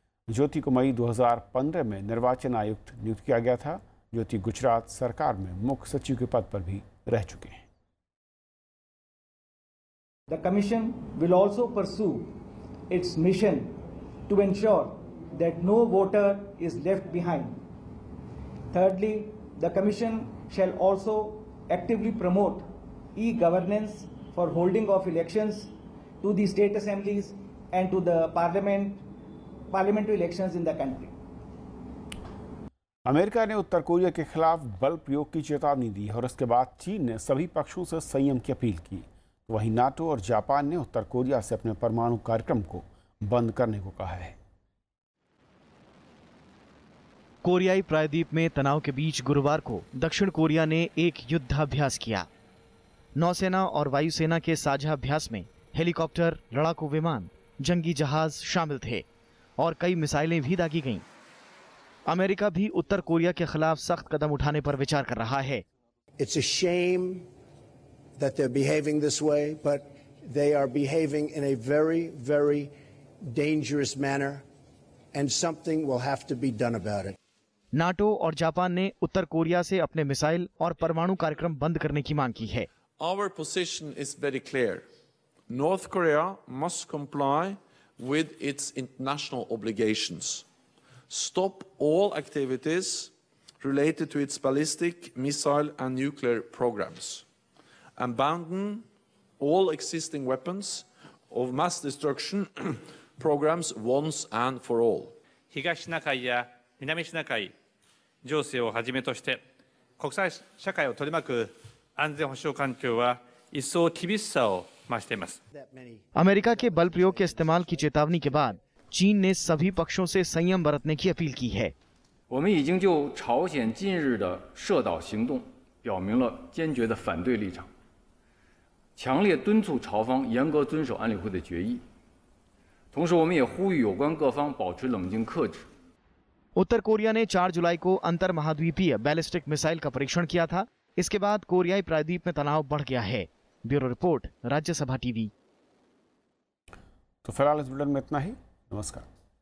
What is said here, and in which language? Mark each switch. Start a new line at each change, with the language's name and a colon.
Hindi: ज्योति को मई 2015 में निर्वाचन आयुक्त नियुक्त किया गया था। ज्योति गुजरात सरकार में मुख्य सचिव के पद पर भी रह चुके हैं।
English: The commission will also pursue its mission to ensure that no voter is left behind. Thirdly, the commission shall also actively promote e governance for holding of elections to the state assemblies and to the parliamentary elections in the country.
Hindi: America ने उत्तर Korea के खिलाफ बल प्रयोग की चेतावनी दी और उसके बाद चीन ने सभी पक्षों से संयम की अपील की। वहीं नाटो और जापान ने उत्तर कोरिया से अपने परमाणु कार्यक्रम को बंद करने को कहा है। कोरियाई प्रायद्वीप में तनाव के बीच गुरुवार को दक्षिण कोरिया ने एक युद्धाभ्यास किया। नौसेना और वायुसेना के साझा अभ्यास में हेलीकॉप्टर, लड़ाकू विमान, जंगी जहाज शामिल थे और कई मिसाइलें भी दागी गईं। अमेरिका भी उत्तर कोरिया के खिलाफ सख्त कदम उठाने पर विचार कर रहा है।
English: It's a shame that they're behaving this way, but they are behaving in a very, very dangerous manner, and something will have to be done about it.
Hindi: NATO और जापान ने उत्तर कोरिया से अपने मिसाइल और परमाणु कार्यक्रम बंद करने की मांग की है।
English: Our position is very clear. North Korea must comply with its international obligations. Stop all activities related to its ballistic, missile and nuclear programs. Abandon all existing weapons of mass destruction programs once and for all.
Japanese: 東シナ海や南シナ海情勢をはじめとして国際社会を取り巻く安全保障環境は一層厳しさを増しています。アメリカの
Hindi: बल प्रयोग के इस्तेमाल की चेतावनी के बाद चीन ने सभी पक्षों से संयम बरतने की अपील की है。
Chinese: 我们已经就朝鲜近日的射岛行动表明了坚决的反对立场，强烈敦促朝方严格遵守安理会的决议。同时，我们也呼吁有关各方保持冷静克制。
Hindi: उत्तर कोरिया ने 4 जुलाई को अंतर महाद्वीपीय बैलिस्टिक मिसाइल का परीक्षण किया था। इसके बाद कोरियाई प्रायद्वीप में तनाव बढ़ गया है। Bureau report, Rajya Sabha TV. तो फिलहाल इस बुलेटिन में इतना ही। नमस्कार।